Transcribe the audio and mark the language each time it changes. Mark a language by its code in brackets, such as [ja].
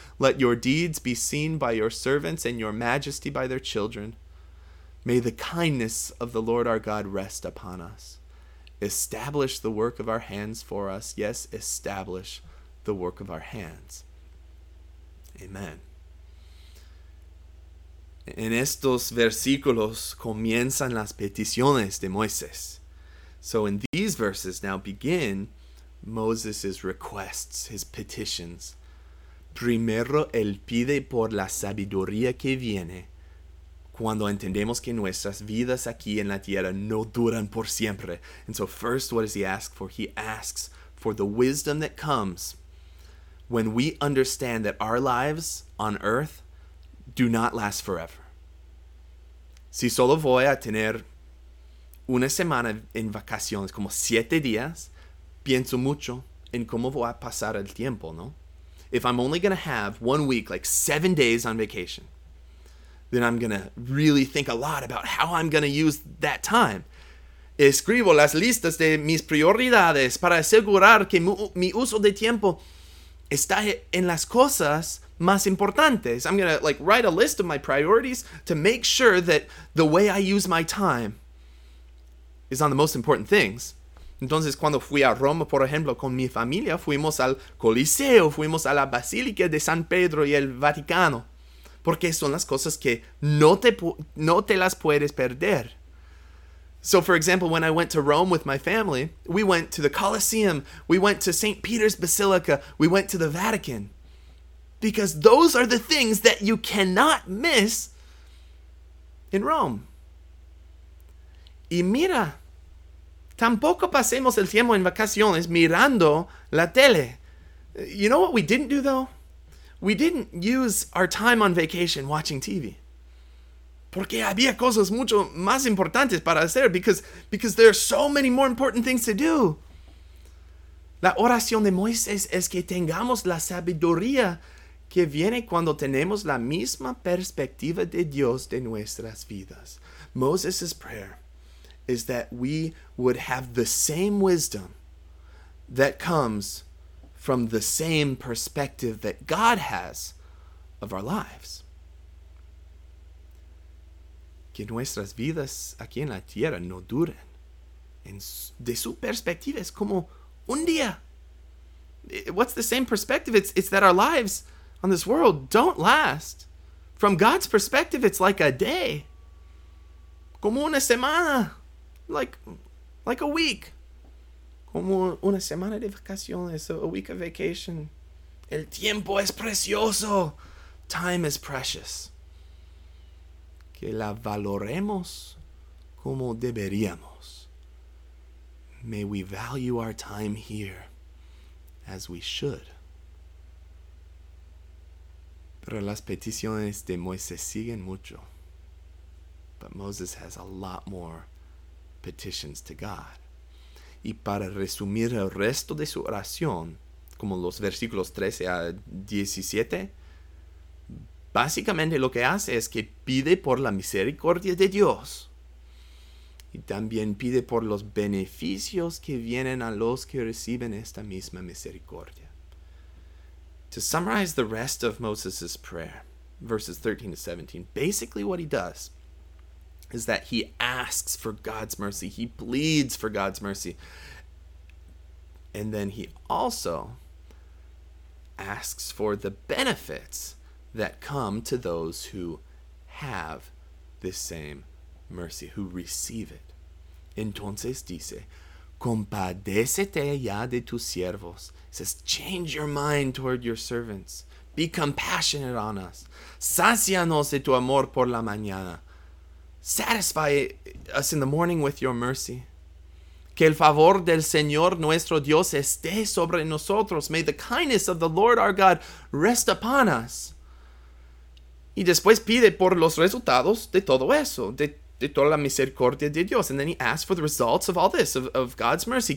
[en] Let your deeds be seen by your servants and your majesty by their children. May the kindness of the Lord our God rest upon us. Establish the work of our hands for us. Yes, establish the work of our hands. Amen. [es] En estos versículos comienzan las peticiones de Moisés. [en] So in these verses now begin Moses' requests, his petitions. [es] Primero, él pide por la sabiduría que viene cuando entendemos que nuestras vidas aquí en la tierra no duran por siempre. [en] And so first, what does he ask for? He asks for the wisdom that comes when we understand that our lives on earth do not last forever. [es] Si solo voy a tener una semana en vacaciones, como 7 días, pienso mucho en cómo voy a pasar el tiempo, ¿no? [en] If I'm only going to have 1 week, like 7 days on vacation, then I'm going to really think a lot about how I'm going to use that time. [es] Escribo las listas de mis prioridades para asegurar que mi uso de tiempo está en las cosas más importantes. [en] I'm going to like write a list of my priorities to make sure that the way I use my time is on the most important things. [es] Entonces, cuando fui a Roma, por ejemplo, con mi familia, fuimos al Coliseo, fuimos a la Basílica de San Pedro y el Vaticano. Porque son las cosas que no te las puedes perder. [en] So, for example, when I went to Rome with my family, we went to the Colosseum, we went to St. Peter's Basilica, we went to the Vatican. Because those are the things that you cannot miss in Rome. [es] Y mira, tampoco pasemos el tiempo en vacaciones mirando la tele. [en] You know what we didn't do, though? We didn't use our time on vacation watching TV. [es] Porque había cosas mucho más importantes para hacer. [en] Because there are so many more important things to do. [es] La oración de Moisés es que tengamos la sabiduría que viene cuando tenemos la misma perspectiva de Dios de nuestras vidas. [en] Moses' prayer is that we would have the same wisdom that comes from the same perspective that God has of our lives. [es] Que nuestras vidas aquí en la tierra no duren. De su perspectiva es como un día. [en] What's the same perspective? It's that our lives on this world don't last. From God's perspective, it's like a day. [es] Como una semana. [en] Like a week. [es] Como una semana de vacaciones, [en] so a week of vacation. [es] El tiempo es precioso. [en] Time is precious. [es] Que la valoremos como deberíamos. [en] May we value our time here as we should. [es] Pero las peticiones de Moisés siguen mucho. [en] But Moses has a lot more petitions to God. [es] Y para resumir el resto de su oración, como los versículos 13 a 17, básicamente lo que hace es que pide por la misericordia de Dios. Y también pide por los beneficios que vienen a los que reciben esta misma misericordia. [en] To summarize the rest of Moses' prayer, verses 13 to 17, basically what he does is that he asks for God's mercy. He pleads for God's mercy. And then he also asks for the benefits that come to those who have this same mercy, who receive it. [es] Entonces dice, compadécete ya de tus siervos. [en] He says, change your mind toward your servants. Be compassionate on us. [es] Sácianos de tu amor por la mañana. [en] Satisfy us in the morning with your mercy. [es] Que el favor del Señor nuestro Dios esté sobre nosotros. [en] May the kindness of the Lord our God rest upon us. [es] Y después pide por los resultados de todo eso, de toda la misericordia de Dios. [en] And then he asks for the results of all this, of God's mercy.